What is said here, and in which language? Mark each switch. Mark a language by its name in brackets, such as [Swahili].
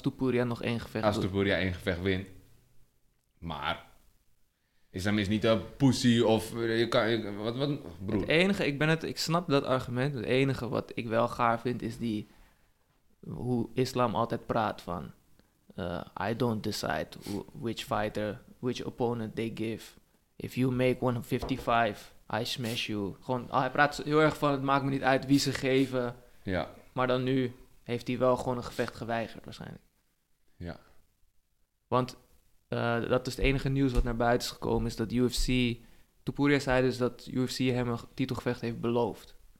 [Dutch] Topuria één gevecht wint. Maar Islam is niet een pussy of je kan... Wat, broer. Ik snap dat argument. Het enige wat ik wel gaar vind is die... Hoe Islam altijd praat van... [English] I don't decide which fighter, which opponent they give. If you make 155, I smash you. [Dutch] Gewoon, hij praat heel erg van, het maakt me niet uit wie ze geven. Ja. Maar dan nu heeft hij wel gewoon een gevecht geweigerd waarschijnlijk. Ja. Want... dat is het enige nieuws wat naar buiten is gekomen, is dat UFC... Topuria zei dus dat UFC hem een titelgevecht heeft beloofd.